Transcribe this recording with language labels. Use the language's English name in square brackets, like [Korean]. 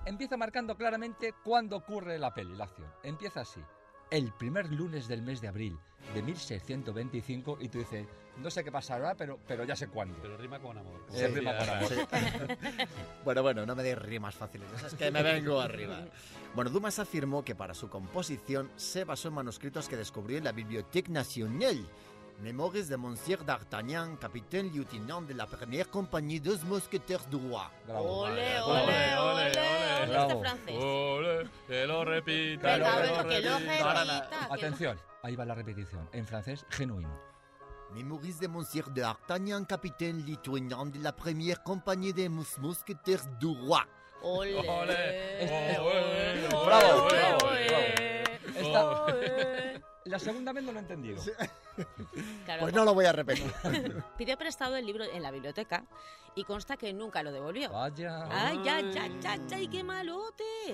[Spanish] Empieza marcando claramente cuándo ocurre la peli, la acción. Empieza así: el primer lunes del mes de abril de 1625, y tú dices, no sé qué pasará, pero ya sé cuándo. Pero rima con amor. Se rima con amor. Sí. Bueno, no me deis rimas fáciles, es que me vengo arriba. Bueno, Dumas afirmó que para su composición se basó en manuscritos que descubrió en la Bibliothèque Nationale. [French] Mémoires de Monsieur d'Artagnan, capitaine lieutenant de la première compagnie des mosquetaires du roi. [Spanish] Bravo, ¡olé, olé, olé, olé! ¡Bravo! ¡Olé, que lo repita! ¡Venga, que lo repita! Atención, ahí va la repetición, en francés, genuino. [French] Mémoires de Monsieur d'Artagnan, capitaine lieutenant de la première compagnie des mosquetaires du roi. [Spanish] ¡Olé, olé, olé! ¡Bravo, olé, olé! La segunda vez no lo he entendido. Claro, pues no lo voy a repetir. Pidió prestado el libro en la biblioteca y consta que nunca lo devolvió. ¡Vaya! ¡Ay, ya, ya, ya, ya! ¡Qué malote!